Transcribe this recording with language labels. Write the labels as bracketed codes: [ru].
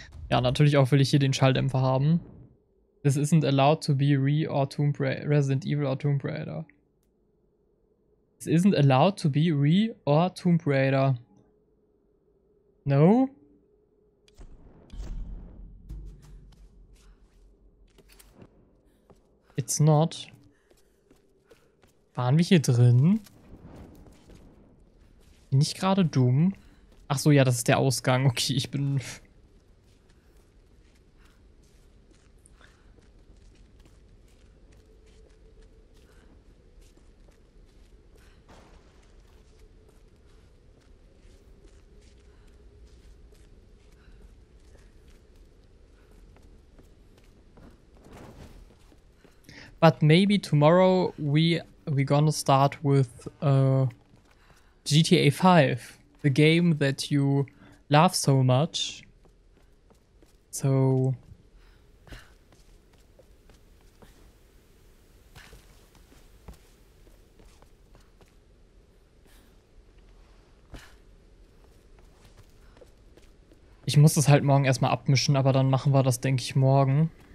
[de] Ja, natürlich auch will ich hier den Schalldämpfer haben. [en] This isn't allowed to be Resident Evil or Tomb Raider. This isn't allowed to be Re or Tomb Raider. No? It's not. [de] Waren wir hier drin? Bin ich gerade dumm? Ach so, ja, das ist der Ausgang. Okay, ich bin... [en] But maybe tomorrow we gonna start with GTA 5, the game that you love so much. [de] So ich muss das halt morgen erstmal abmischen, aber dann machen wir das, denke ich, morgen.